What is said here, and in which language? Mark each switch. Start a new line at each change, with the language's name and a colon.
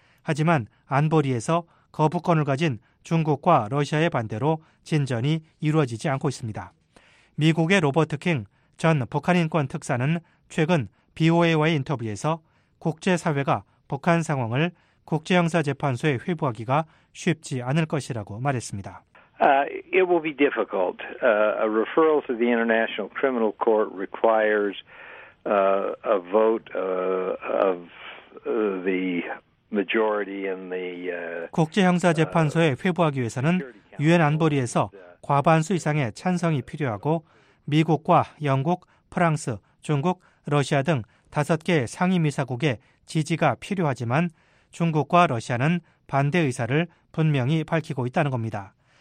Korean: 하지만 안보리에서 거부권을 가진 중국과 러시아의 반대로 진전이 이루어지지 않고 있습니다. 미국의 로버트 킹 전 북한인권특사는 최근 BOA와의 인터뷰에서 국제사회가 북한 상황을 국제형사재판소에 회부하기가 쉽지 않을 것이라고 말했습니다.
English: It will be difficult. A referral to the International Criminal Court requires a vote of the majority in the
Korean: 국제형사재판소에 회부하기 위해서는 유엔 안보리에서 과반수 이상의 찬성이 필요하고 미국과 영국, 프랑스, 중국, 러시아 등 5개 상임이사국의 지지가 필요하지만 중국과 러시아는 반대 의사를 분명히 밝히고 있다는 겁니다.